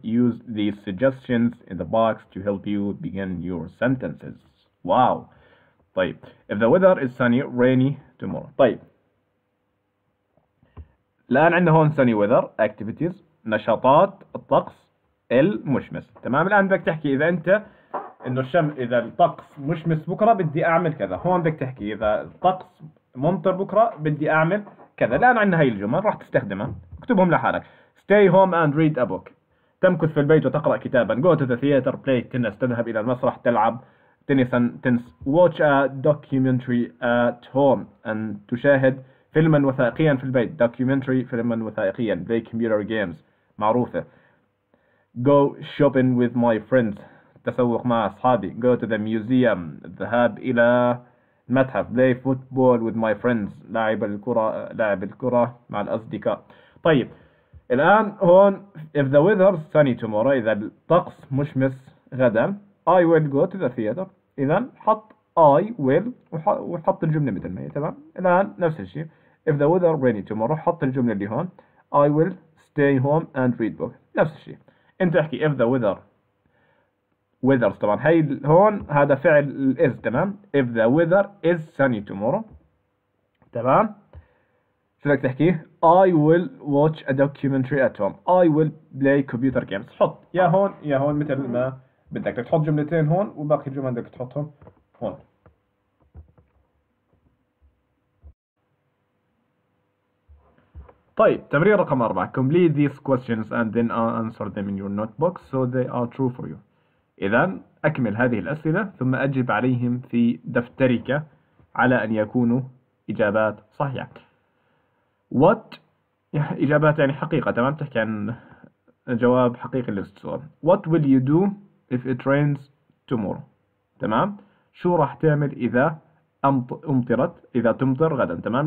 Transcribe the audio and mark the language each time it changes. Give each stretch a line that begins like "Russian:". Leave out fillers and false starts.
English: Use these suggestions in the box to help you begin your sentences.
Arabic: واو. طيب
English: if the weather is sunny rainy tomorrow.
Arabic: طيب الآن عندنا هون
English: sunny weather activities
Arabic: نشاطات الطقس المشمس تمام. الآن بدك تحكي إذا أنت إنه الشم إذا الطقس مشمس بكرة بدي أعمل كذا، هون بدك تحكي إذا الطقس ممطر بكرة بدي أعمل كذا. الآن عندنا هاي الجمل راح تستخدمها، اكتبهم لحالك.
English: stay home and read a book،
Arabic: تمكث في البيت وتقرأ كتابا.
English: go to the theater play tennis،
Arabic: تذهب إلى المسرح تلعب تنس.
English: watch a documentary at home،
Arabic: أن تشاهد فيلما وثائقيا في البيت. documentary فيلما وثائقيا.
English: play computer games معروفة. go shopping with my friends،
Arabic: تسوق مع أصحابي.
English: go to the museum،
Arabic: الذهاب إلى المتحف.
English: play football with my friends،
Arabic: لعب الكرة مع الأصدقاء. طيب الآن هون
English: if the weather sunny tomorrow،
Arabic: إذا الطقس مشمس غدا.
English: I will go to the theater،
Arabic: إذا حط I will وحط الجملة مثل ما هي تمام.
English: الآن نفس الشيء if the weather rainy tomorrow،
Arabic: حط الجملة اللي هون
English: I will stay home and read book،
Arabic: نفس الشيء. انت احكي
English: if the weather weathers،
Arabic: طبعا هاي هون هذا فعل is تمام.
English: if the weather is sunny tomorrow تمام،
Arabic: شو بدك تحكي؟
English: I will watch a documentary at home، I will play computer games.
Arabic: حط يا هون يا هون مثل ما بدك، تحط جملتين هون وباقي الجمل بدك تحطهم هون. طيب تمرين رقم 4
English: complete these questions and then answer them in your notebook so they are true for you.
Arabic: إذا أكمل هذه الأسئلة ثم أجب عليهم في دفترك على أن يكونوا إجابات صحيحة. what إجابات يعني حقيقة تمام، تحكي عن جواب حقيقي للسؤال.
English: what will you do if it rains tomorrow تمام،
Arabic: شو راح تعمل إذا أمطرت إذا تمطر غدا تمام.